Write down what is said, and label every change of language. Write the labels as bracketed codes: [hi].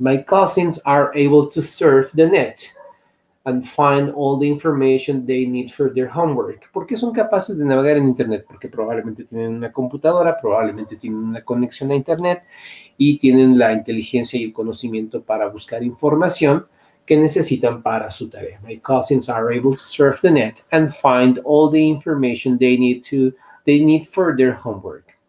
[en] My cousins are able to surf the net and find all the information they need for their homework. [es] ¿Por qué son capaces de navegar en internet? Porque probablemente tienen una computadora, probablemente tienen una conexión a internet y tienen la inteligencia y el conocimiento para buscar información que necesitan para su tarea. [en] My cousins are able to surf the net and find all the information they need for their homework.